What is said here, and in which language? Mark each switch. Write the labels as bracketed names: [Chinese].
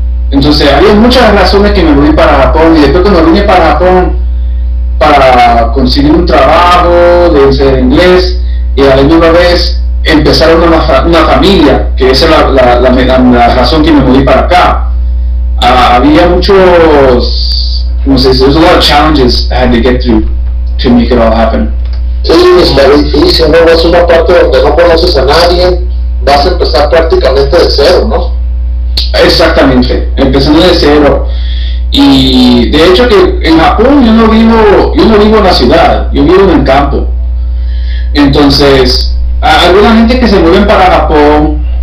[Spanish] Entonces, había muchas razones que me vine para Japón, y después cuando vine para Japón para conseguir un trabajo, de enseñar inglés, y a la misma vez empezar una familia, que esa es la razón que me vine para acá. Había muchos, como se dice, [English] there's a lot of challenges I had to get through to make it all happen. [Spanish] Sí, está difícil, ¿no? Es una parte donde no conoces a nadie, vas a empezar prácticamente de cero, ¿no? Exactamente, empezando de cero. Y de hecho que en Japón yo no vivo en la ciudad, yo vivo en el campo. Entonces, alguna gente que se mueve para Japón